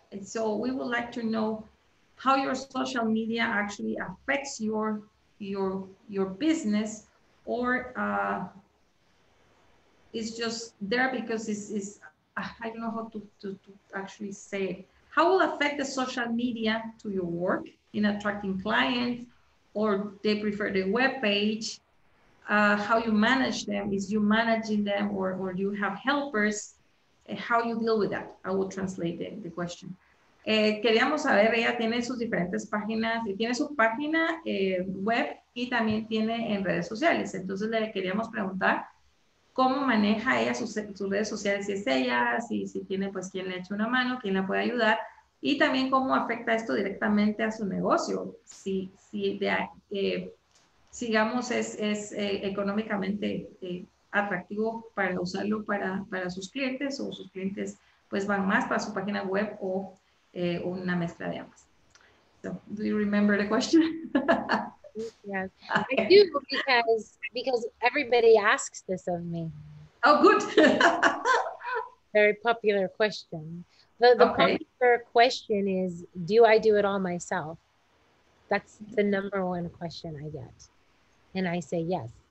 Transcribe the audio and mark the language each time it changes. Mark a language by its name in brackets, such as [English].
[English] And so we would like to know how your social media actually affects your business or it's just there because it's I don't know how to actually say it. How will it affect the social media to your work in attracting clients, or they prefer the web page? How you manage them? Is you managing them, or do you have helpers? How you deal with that? I will translate the question. [Spanish] Queríamos saber, ella tiene sus diferentes páginas, tiene su página web y también tiene en redes sociales. Entonces le queríamos preguntar cómo maneja ella sus redes sociales, si es ella, si tiene pues quien le eche una mano, quién la puede ayudar y también cómo afecta esto directamente a su negocio. Si es económicamente atractivo para usarlo para sus clientes o sus clientes pues van más para su página web o una mezcla de ambas. [English] So, do you remember the question? Yes, I do because everybody asks this of me. Oh, good. Very popular question. The popular question is, do I do it all myself? That's the number one question I get. And I say yes.